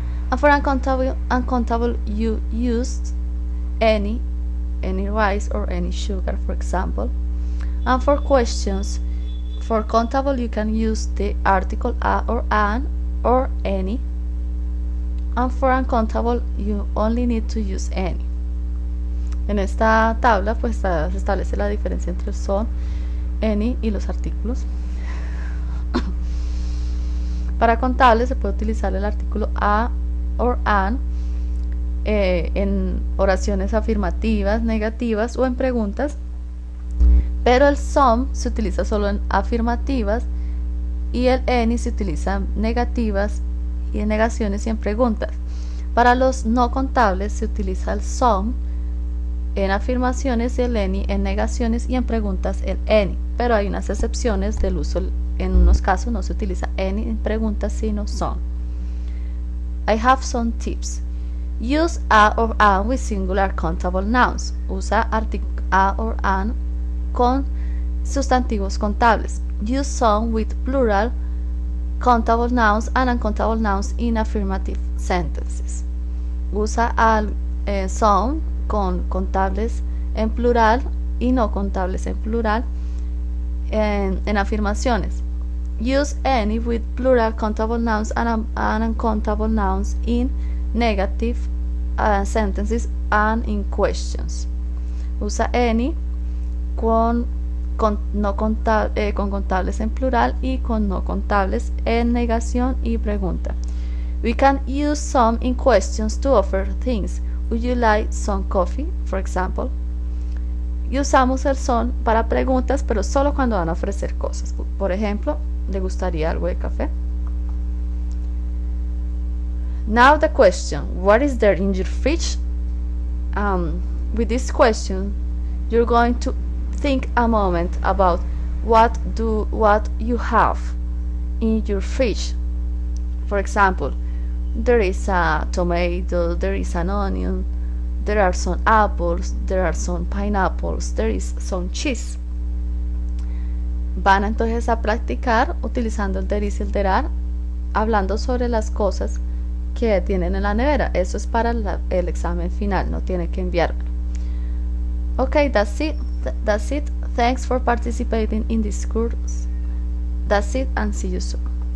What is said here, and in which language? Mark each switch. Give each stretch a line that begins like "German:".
English: And for uncountable, you used any rice or any sugar, for example. And for questions, for countable, you can use the article a or an or any. And for uncountable, you only need to use any.
Spanish: En esta tabla, pues se establece la diferencia entre son, any y los artículos. Para contable se puede utilizar el artículo a or an en oraciones afirmativas, negativas o en preguntas. Pero el some se utiliza solo en afirmativas, y el any se utiliza en negativas y en negaciones y en preguntas. Para los no contables se utiliza el some en afirmaciones y el any en negaciones, y en preguntas el any. Pero hay unas excepciones del uso. En unos casos no se utiliza any en preguntas, sino some.
English: I have some tips. Use a or an with singular countable nouns.
Spanish: Usa a or an con sustantivos contables.
English: Use some with plural countable nouns and uncountable nouns in affirmative sentences.
Spanish: Usa some con contables en plural y no contables en plural en afirmaciones.
English: Use any with plural countable nouns and uncountable nouns in negative sentences and in questions.
Spanish: Usa any con contables en plural y con no contables en negación y pregunta.
English: We can use some in questions to offer things. Would you like some coffee, for example?
Spanish: Y usamos el son para preguntas, pero solo cuando van a ofrecer cosas. Por ejemplo, ¿le gustaría algo de café?
English: Now the question, what is there in your fridge? With this question, you're going to think a moment about what you have in your fridge. For example, there is a tomato, there is an onion, There are some apples, there are some pineapples, there is some cheese.
Spanish: Van entonces a practicar utilizando el there is y el there are, hablando sobre las cosas que tienen en la nevera. Eso es para el examen final, no tiene que enviarlo.
English: Okay, that's it. That's it. Thanks for participating in this course. That's it, and see you soon.